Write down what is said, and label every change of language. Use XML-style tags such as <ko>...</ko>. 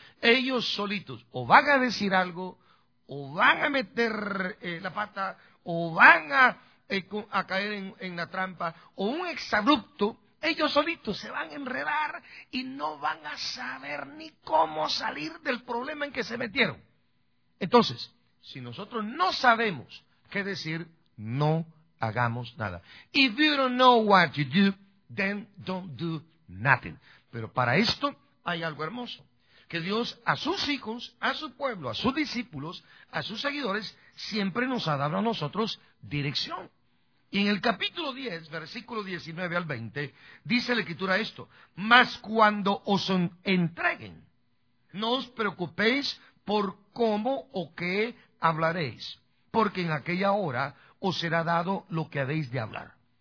<es>Ellos solitos o van a decir algo, o van a meter la pata, o van a caer en la trampa, o un exabrupto, ellos solitos se van a enredar y no van a saber ni cómo salir del problema en que se metieron. Entonces, si nosotros no sabemos qué decir, no hagamos nada.</es> <en>If you don't know what to do, then don't do nothing.</en> <es>Pero para esto hay algo hermoso: que Dios a sus hijos, a su pueblo, a sus discípulos, a sus seguidores, siempre nos ha dado a nosotros dirección. Y en el capítulo 10, versículo 19 al 20, dice la Escritura esto: mas cuando os entreguen, no os preocupéis por cómo o qué hablaréis, porque en aquella hora os será dado lo que habéis de hablar.</es>